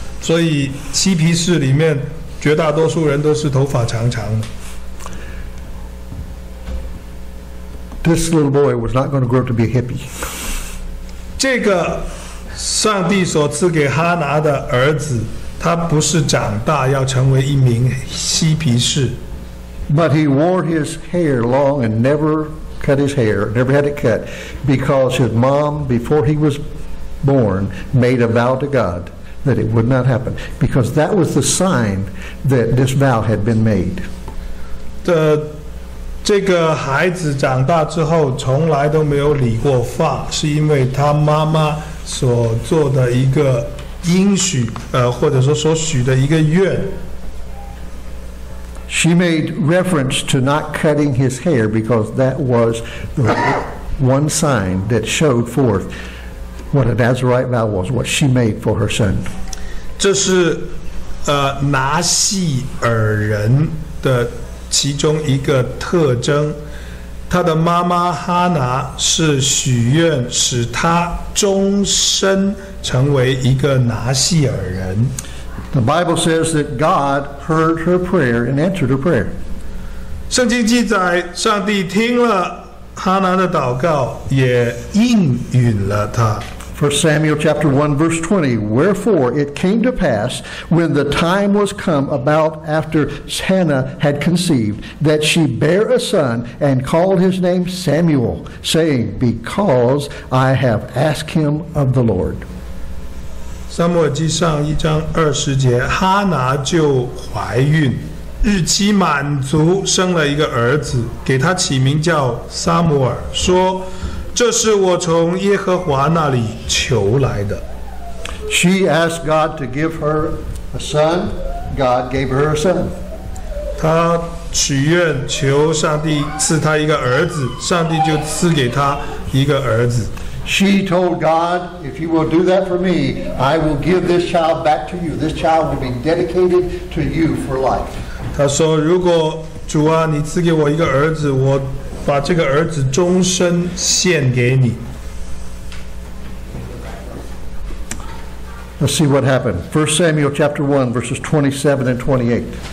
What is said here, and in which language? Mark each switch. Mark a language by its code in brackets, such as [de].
[zh] 所以嬉皮士里面绝大多数人都是头发长长的。 [en] This little boy was not going to grow up to be a hippie. [zh] 这个上帝所赐给哈拿的儿子，他不是长大要成为一名嬉皮士。 [en] But he wore his hair long and never cut his hair, never had it cut, because his mom, before he was born, made a vow to God that it would not happen, because that was the sign that this vow had been made. [zh] 这个孩子长大之后从来都没有理过发，是因为他妈妈所做的一个应许，或者说所许的一个愿。 [en] She made reference to not cutting his hair because that was the one sign that showed forth what a Nazarite vow was, what she made for her son. [zh] 这是拿细尔人的其中一个特征。他的妈妈哈拿是许愿使他终身成为一个拿细尔人。 [en] The Bible says that God heard her prayer and answered her prayer. [zh] 圣经记载，上帝听了哈拿的祷告，也应允了他。 [en] 1 Samuel chapter 1 verse 20, Wherefore it came to pass, when the time was come about after Hannah had conceived, that she bare a son and called his name Samuel, saying, Because I have asked him of the Lord. [zh] 撒母耳记上一章二十节，哈拿就怀孕，日期满足，生了一个儿子，给他起名叫撒母耳，说这是我从耶和华那里求来的。 [en] She asked God to give her a son. God gave her a son. [zh] 她许愿求上帝赐她一个儿子，上帝就赐给她一个儿子。 [en] She told God, "If you will do that for me, I will give this child back to you. This child will be dedicated to you for life." [zh] 她说，如果主啊，你赐给我一个儿子，我把这个儿子终身献给你。 [en] Let's see what happened. 1 Samuel chapter 1, verses 27 and 28.